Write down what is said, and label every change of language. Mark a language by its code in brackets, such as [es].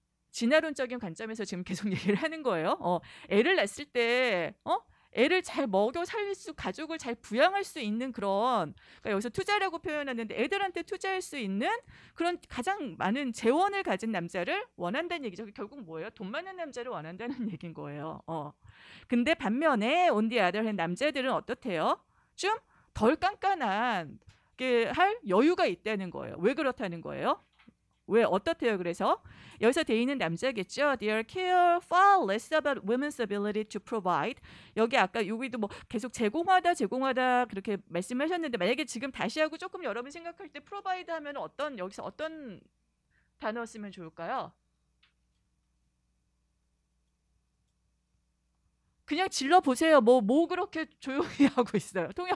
[ko] 진화론적인 관점에서 지금 계속 얘기를 하는 거예요. 애를 낳았을 때 애를 잘 먹여 살릴 수, 가족을 잘 부양할 수 있는 그런, 그러니까 여기서 투자라고 표현하는데 애들한테 투자할 수 있는 그런 가장 많은 재원을 가진 남자를 원한다는 얘기죠. 결국 뭐예요? 돈 많은 남자를 원한다는 얘기인 거예요. 근데 반면에 [en] on the other hand [ko] 남자들은 어떻대요? 좀 덜 깐깐하게 할 여유가 있다는 거예요. 왜 그렇다는 거예요? 왜 어떻대요? 그래서 여기서 돼 있는 남자겠죠. [en] They are care far less about women's ability to provide. [ko] 여기 아까 여기도 뭐 계속 제공하다 그렇게 말씀하셨는데, 만약에 지금 다시 하고 조금 여러분 생각할 때 provide 하면 어떤, 여기서 어떤 단어 쓰면 좋을까요? 그냥 질러 보세요. 뭐 그렇게 조용히 하고 있어요.